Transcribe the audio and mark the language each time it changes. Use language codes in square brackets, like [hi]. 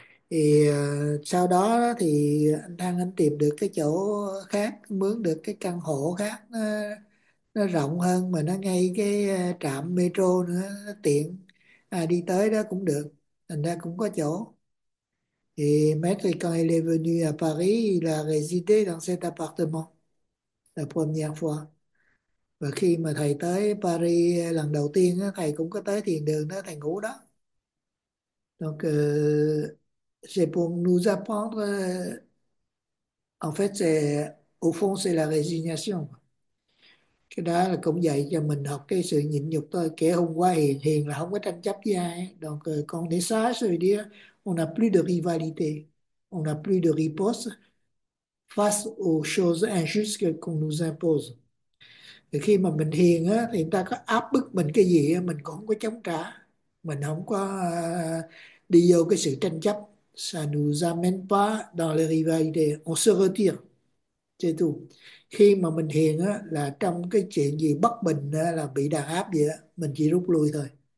[vi] Thì sau đó thì anh Thăng anh tìm được cái chỗ khác, mướn được cái căn hộ khác, nó rộng hơn mà nó ngay cái trạm metro nữa, nó tiện, đi tới đó cũng được, thành ra cũng có chỗ. [fr] Thì maître quand il est venu à Paris, il a résidé dans cet appartement la première fois. [vi] Và khi mà thầy tới Paris lần đầu tiên đó, thầy cũng có tới thiền đường đó, thầy ngủ đó. [fr] Donc, c'est pour nous apprendre, en fait, au fond, c'est la résignation. [vi] Cái đó là cũng dạy cho mình học cái sự nhịn nhục thôi. Kẻ hùng quá hiền, hiền là không có tranh chấp với ai. [fr] Donc, quand on est sage, ça veut dire, on n'a plus de rivalité, on n'a plus de riposte face aux choses injustes qu'on nous impose. [vi] Thì khi mà mình hiền á, thì người ta có áp bức mình cái gì á, mình cũng không có chống trả. Mình không có đi vô cái sự tranh chấp. [fr] Ça nous amène pas dans les rivalités. On se retire. C'est tout. [vi] Khi mà mình hiền á, là trong cái chuyện gì bất bình á, là bị đàn áp gì á, mình chỉ rút lui thôi.